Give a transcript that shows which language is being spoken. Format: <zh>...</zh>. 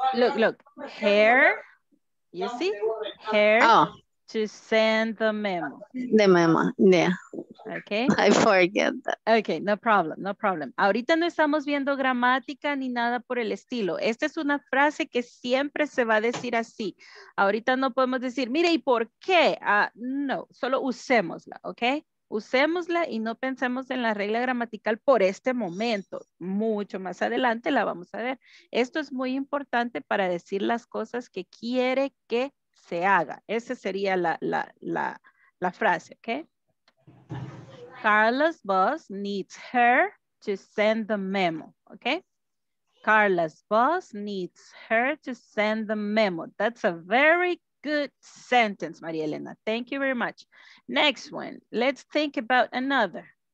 <en>Look, her, you see, her to send the memo. The memo, yeah. Okay. I forget that. Okay, no problem.</en> <es>Ahorita no estamos viendo gramática ni nada por el estilo. Esta es una frase que siempre se va a decir así. Ahorita no podemos decir, mire, ¿y por qué? No, solo usémosla, okay? Usémosla y no pensemos en la regla gramatical por este momento. Mucho más adelante la vamos a ver. Esto es muy importante para decir las cosas que quiere que se haga. Esa sería la frase, okay?</es> <en>Carla's boss needs her to send the memo, okay? Carla's boss needs her to send the memo. That's a very good sentence, Maria Elena. Thank you very much. Next one. Let's think about another.</en>